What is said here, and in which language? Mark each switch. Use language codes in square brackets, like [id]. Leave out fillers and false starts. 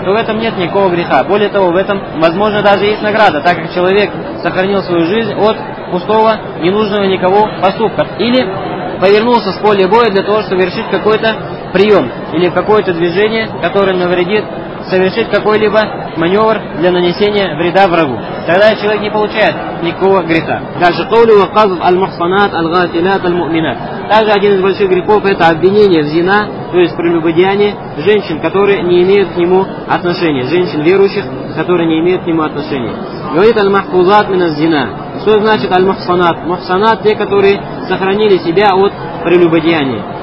[ru] То в этом нет никакого греха. Более того, в этом, возможно, даже есть награда, так как человек сохранил свою жизнь от пустого, ненужного никого поступка. Или повернулся с поля боя для того, чтобы совершить какой-то прием или какое-то движение, которое навредит, совершить какой-либо маневр для нанесения вреда врагу. Тогда человек не получает никакого греха. Дальше [ar] قولوا قذف المحصنات الغافلات المؤمنات. [ru] Также один из больших грехов – это обвинение в зина, то есть прелюбодеяние женщин, которые не имеют к нему отношения, женщин верующих, которые не имеют к нему отношения. Говорит [ar] аль-махфузат мина зина. [ru] Что значит аль-махсанат? Махсанат – те, которые сохранили себя от прелюбодеяния.